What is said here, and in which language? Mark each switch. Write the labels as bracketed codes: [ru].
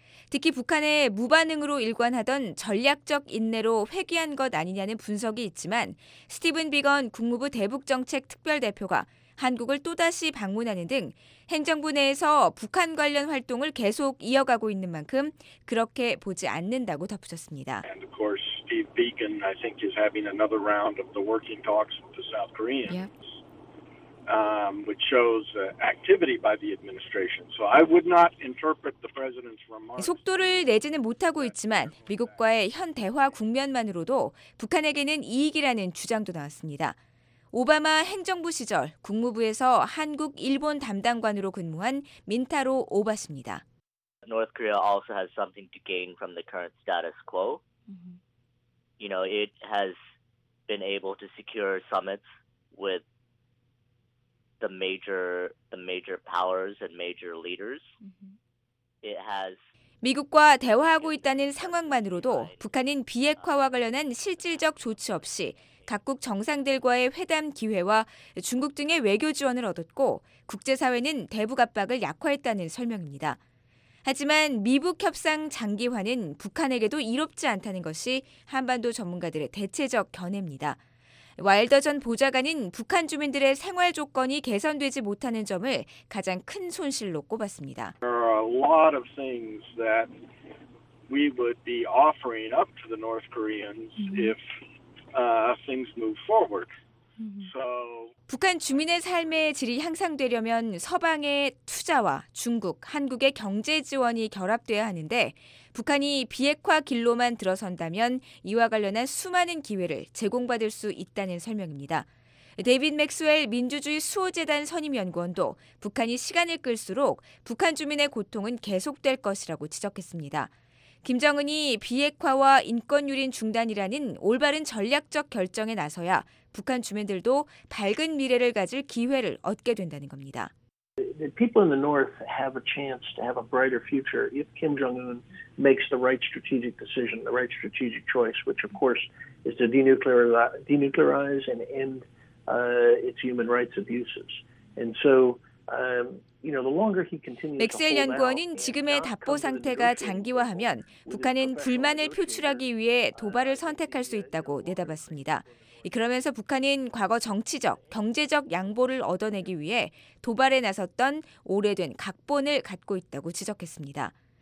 [ko] 특히 북한의 무반응으로 일관하던 전략적 인내로 회귀한 것 아니냐는 분석이 있지만 스티븐 비건 국무부 대북정책특별대표가 한국을 또다시 방문하는 등 행정부 내에서 북한 관련 활동을 계속 이어가고 있는 만큼 그렇게 보지 않는다고 덧붙였습니다. [en] And of course, Steve Beacon, I think, is having another round of the working talks with the South Koreans, which shows activity by the administration. So I would not interpret the president's remarks. [ko] 속도를 내지는 못하고 있지만 미국과의 현 대화 국면만으로도 북한에게는 이익이라는 주장도 나왔습니다. 오바마 행정부 시절 국무부에서 한국 일본 담당관으로 근무한 민타로 오바스입니다. [en] North Korea also has something to gain from the current status quo. You know, it has been able to secure summits with the major powers and major leaders. It has [ko] 미국과 대화하고 있다는 상황만으로도 북한은 비핵화와 관련한 실질적 조치 없이 각국 정상들과의 회담 기회와 중국 등의 외교 지원을 얻었고 국제사회는 대북 압박을 약화했다는 설명입니다. 하지만 미북 협상 장기화는 북한에게도 이롭지 않다는 것이 한반도 전문가들의 대체적 견해입니다. 와일더 전 보좌관은 북한 주민들의 생활 조건이 개선되지 못하는 점을 가장 큰 손실로 꼽았습니다. [en] There are a lot of things that we would be offering up to the North Koreans if things move forward. So [ko] 북한 주민의 삶의 질이 향상되려면 서방의 투자와 중국, 한국의 경제 지원이 결합돼야 하는데 북한이 비핵화 길로만 들어선다면 이와 관련한 수많은 기회를 제공받을 수 있다는 설명입니다. 데이빗 맥스웰 민주주의 수호재단 선임연구원도 북한이 시간을 끌수록 북한 주민의 고통은 계속될 것이라고 지적했습니다. 김정은이 비핵화와 인권유린 중단이라는 올바른 전략적 결정에 나서야 북한 주민들도 밝은 미래를 가질 기회를 얻게 된다는 겁니다. [en] The people in the north have a chance to have a brighter future if Kim Jong-un makes the right strategic decision, the right strategic choice, which of course is to denuclearize and end its human rights abuses. And so, you know, the longer he continues. [ko] 맥스웰 연구원은 지금의 답보 상태가 장기화하면 북한은 불만을 표출하기 위해 도발을 선택할 수 있다고 내다봤습니다. 그러면서 북한은 과거 정치적, 경제적 양보를 얻어내기 위해 도발에 나섰던 오래된 각본을 갖고 있다고 지적했습니다.